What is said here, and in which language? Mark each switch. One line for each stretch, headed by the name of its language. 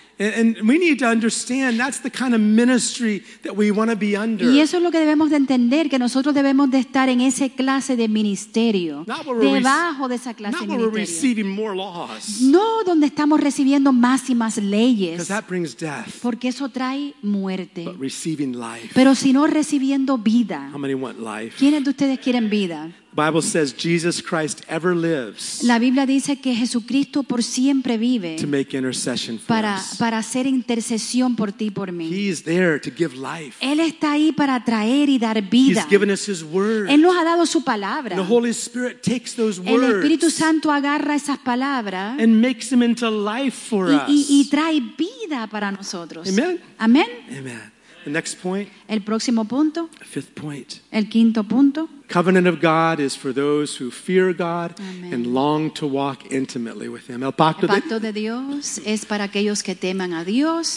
English: And we need to understand that's the kind of ministry that we want to be under.
Spanish: Y eso es lo que debemos de entender, que nosotros debemos de estar en esa clase de ministerio, debajo de esa clase de ministerio.
English: Not where we're receiving more laws.
Spanish: No donde estamos recibiendo más y más leyes.
English: Because that brings death.
Spanish: Porque eso trae muerte.
English: But receiving life.
Spanish: Pero sino recibiendo vida.
English: How many want life?
Spanish: ¿Quiénes de ustedes quieren vida?
English: Bible says Jesus Christ ever lives.
Spanish: La Biblia dice que Jesucristo por siempre vive.
English: To make intercession for
Spanish: para hacer intercesión por ti por mí.
English: He is there to give life.
Spanish: Él está ahí para traer y dar vida.
English: He's given us his word.
Spanish: Él nos ha dado su palabra.
English: The Holy Spirit takes those words.
Spanish: El Espíritu Santo agarra esas palabras.
English: And makes them into life for us.
Spanish: Y trae vida para nosotros.
English: Amen.
Spanish: Amen.
English: Amen. The next point.
Spanish: El próximo punto.
English: Fifth point.
Spanish: El quinto punto.
English: Covenant of God is for those who fear God. Amen. And long to walk intimately with Him.
Spanish: El pacto de Dios es para aquellos que teman a Dios.